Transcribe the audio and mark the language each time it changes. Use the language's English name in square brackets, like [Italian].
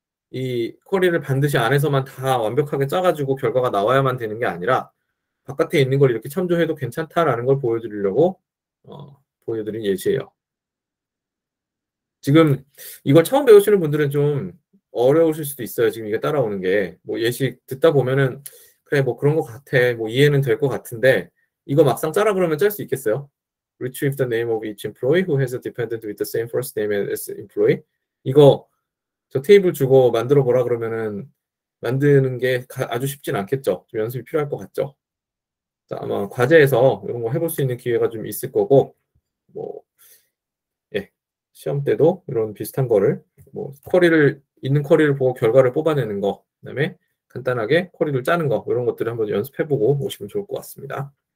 [Korean] 이 쿼리를 반드시 안에서만 다 완벽하게 짜가지고 결과가 나와야만 되는 게 아니라 바깥에 있는 걸 이렇게 참조해도 괜찮다라는 걸 보여드리려고 보여드린 예시예요. 지금 이걸 처음 배우시는 분들은 좀 어려우실 수도 있어요. 지금 이게 따라오는 게뭐 예시 듣다 보면은 그래 뭐 그런 것 같아 뭐 이해는 될것 같은데. 이거 막상 짜라 그러면 짤수 있겠어요? [English] Retrieve the name of each employee who has a dependent with the same first name as employee. [Korean] 이거 저 테이블 주고 만들어 보라 그러면은 만드는 게 아주 쉽진 않겠죠? 좀 연습이 필요할 것 같죠? 자, 아마 과제에서 이런 거 해볼 수 있는 기회가 좀 있을 거고, 뭐, 시험 때도 이런 비슷한 거를, 뭐, 있는 쿼리를 보고 결과를 뽑아내는 거, 그다음에 간단하게 쿼리를 짜는 거, 이런 것들을 한번 연습해보고 오시면 좋을 것 같습니다.